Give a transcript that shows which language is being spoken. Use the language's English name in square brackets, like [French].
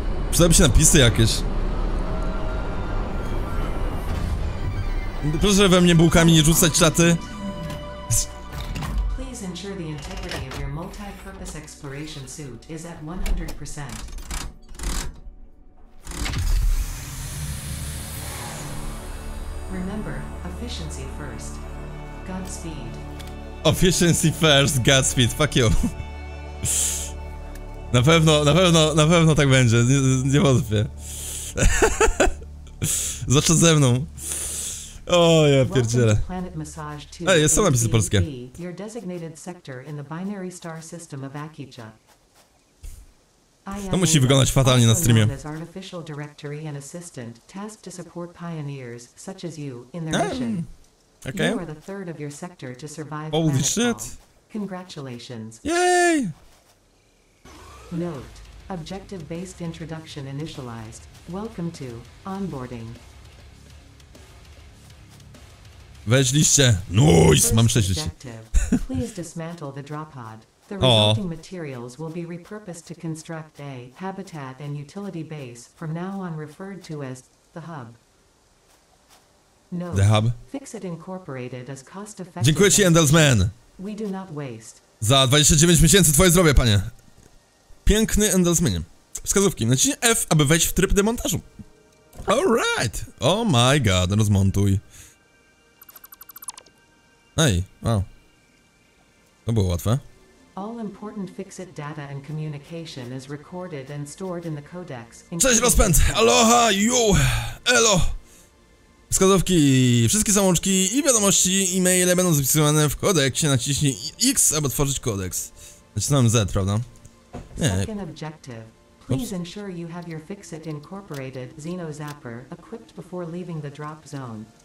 [Polish] Przydałyby się napisy jakieś. Proszę we mnie bułkami nie rzucać czaty. [English] Please ensure the integrity of your multi-purpose exploration suit is at 100%. Remember, efficiency first. Godspeed. Efficiency first, Godspeed, fuck you. [Polish] Na pewno, na pewno, na pewno tak będzie, nie wątpię. Zwłaszcza ze mną. O, ja pierdzielę. Ej, są napisy polskie. [English] Your designated sector in the binary star system of Akija. [Polish] To musi wyglądać fatalnie na streamie. [English] Artificial directory and assistant tasked to support pioneers such as you in their mission. Okay. You are the third of your sector to survive. Holy shit. Congratulations. Yay! Note: objective based introduction initialized. Welcome to onboarding. [Polish] Weź liście. [English] Nice, [Polish] mam 6 liści. [English] Please dismantle the drop pod. The resulting materials will be repurposed to construct a habitat and utility base, from now on referred to as the hub. The hub. Fixit Incorporated as cost effective. [Polish] Dziękuję ci, Endelsman. [English] We do not waste. [Polish] Za 29 miesięcy twoje zdrowie, panie. Piękny Endelsmanie. Wskazówki. Naciśnij F, aby wejść w tryb demontażu. [English] Alright. Oh my god, [Polish] rozmontuj. Ej, wow. To było łatwe. [English] All important Fixit data and communication is recorded and stored in the codex. [Polish] Cześć, rozpęd! Aloha, yo! Elo! Wskazówki, wszystkie załączki i wiadomości, e-maile będą zapisywane w kodeksie. Naciśnij X, aby otworzyć kodeks. Nacisnąłem Z, prawda? Nie. [English] Second objective. Please ensure you have your Fixit Incorporated Xeno Zapper equipped before leaving the drop zone.